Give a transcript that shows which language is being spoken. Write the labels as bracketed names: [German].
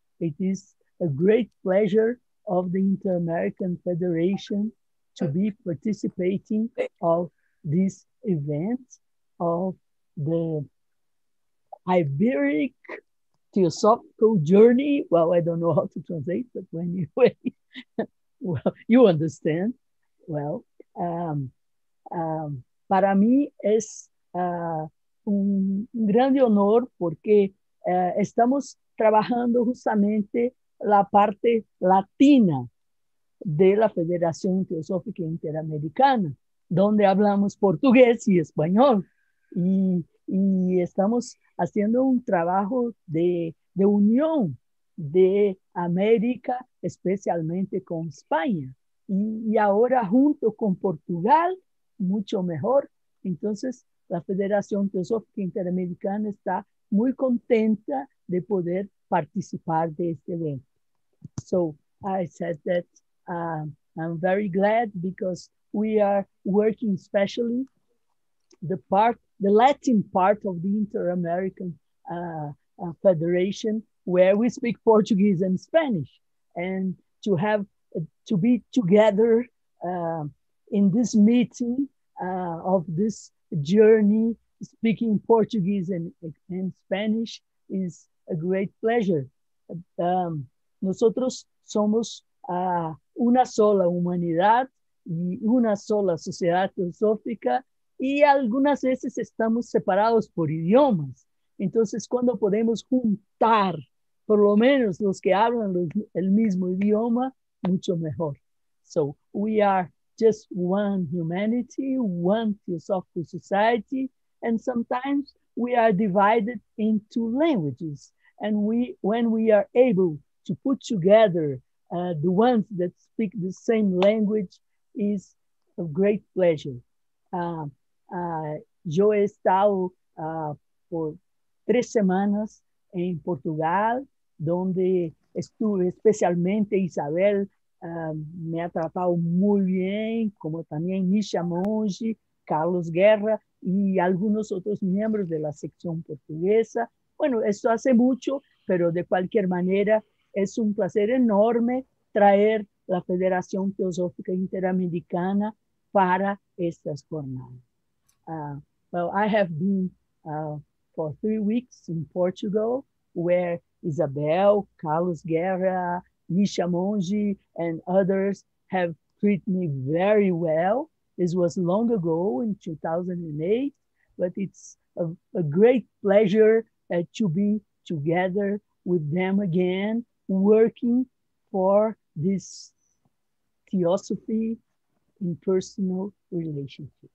[English] It is a great pleasure of the Inter-American Federation to be participating of this event of the Iberic Theosophical Journey. Well, I don't know how to translate, but anyway, well, you understand. [Spanish] Well, para mí es un grande honor porque estamos trabajando justamente la parte latina de la Federación Teosófica Interamericana, donde hablamos portugués y español, y estamos haciendo un trabajo de unión de América, especialmente con España, y ahora junto con Portugal, mucho mejor. Entonces, la Federación Teosófica Interamericana está muy contenta de poder participar de este evento. [English] So, I said that I'm very glad because we are working especially the Latin part of the Inter-American Federation, where we speak Portuguese and Spanish, and to have to be together in this meeting of this journey, speaking Portuguese and Spanish is a great pleasure. [Spanish] Nosotros somos una sola humanidad y una sola sociedad teosófica, y algunas veces estamos separados por idiomas. Entonces, cuando podemos juntar por lo menos los que hablan el mismo idioma, mucho mejor. [English] So, we are just one humanity, one theosophical society, and sometimes we are divided into languages. And when we are able to put together the ones that speak the same language, is a great pleasure. [Spanish] Yo he estado por 3 semanas en Portugal, donde estuve especialmente Isabel, me ha tratado muy bien, como también Misha Monge, Carlos Guerra y algunos otros miembros de la sección portuguesa. Bueno, esto hace mucho, pero de cualquier manera es un placer enorme traer la Federación Teosófica Interamericana para estas jornadas. [English] Well, I have been for 3 weeks in Portugal, where Isabel, Carlos Guerra, Misha Monge, and others have treated me very well. This was long ago in 2008, but it's a great pleasure to be together with them again, working for this theosophy in personal relationships.